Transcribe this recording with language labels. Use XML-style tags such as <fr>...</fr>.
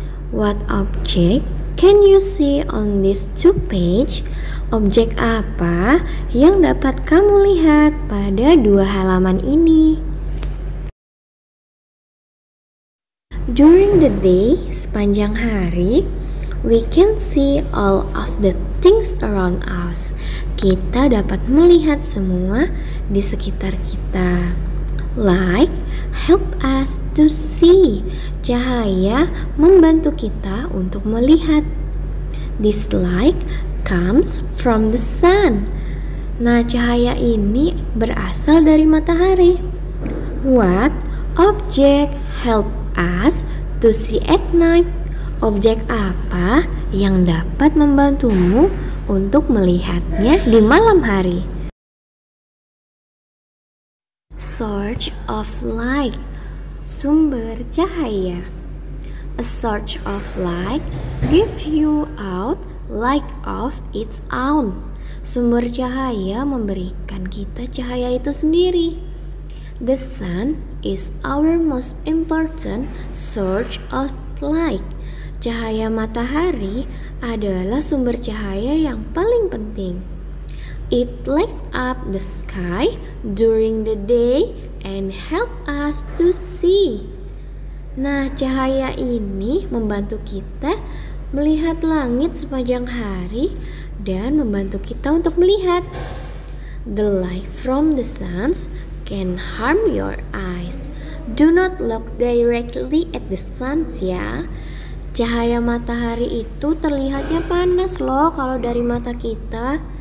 <en>What object can you see on this two page?</en> <id>Objek apa yang dapat kamu lihat pada dua halaman ini?</id> <en>During the day,</en> <id>sepanjang hari,</id> <en>we can see all of the things around us.</en> <id>Kita dapat melihat semua di sekitar kita.</id> <en>Light help us to see.</en> <id>Cahaya membantu kita untuk melihat.</id> <en>This light comes from the sun.</en> <id>Nah, cahaya ini berasal dari matahari.</id> <en>What object help us to see at night?</en> <id>Objek apa yang dapat membantumu untuk melihatnya di malam hari?</id> <en>Source of light,</en> <id>sumber cahaya.</id> <en>A source of light gives you out light of its own.</en> <id>Sumber cahaya memberikan kita cahaya itu sendiri.</id> <en>The sun is our most important source of light.</en> <id>Cahaya matahari adalah sumber cahaya yang paling penting.</id> <en>It lights up the sky during the day and help us to see.</en> <id>Nah, cahaya ini membantu kita melihat langit sepanjang hari dan membantu kita untuk melihat.</id> <en>The light from the sun can harm your eyes. Do not look directly at the sun, ya.</en> <id>Cahaya matahari itu terlihatnya panas loh kalau dari mata kita.</id>